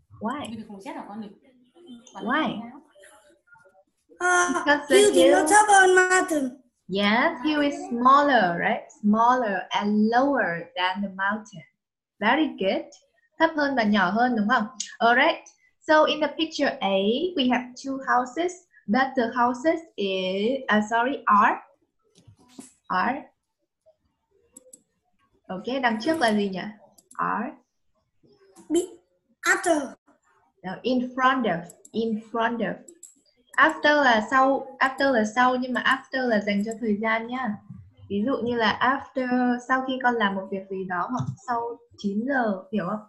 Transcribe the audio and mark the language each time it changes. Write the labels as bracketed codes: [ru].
[en] Why? Why? Because hill is not top of mountain. Yeah, hill is smaller, right? Smaller and lower than the mountain. Very good. [vi] Thấp hơn và nhỏ hơn đúng không? [en] All right. So in the picture A, we have two houses, but the houses are. [vi] Okay, đằng trước là gì nhỉ? [en] Are. Be after. Now in front of. [vi] After là sau nhưng mà after là dành cho thời gian nha. Ví dụ như là after sau khi con làm một việc gì đó hoặc sau 9 giờ, hiểu không?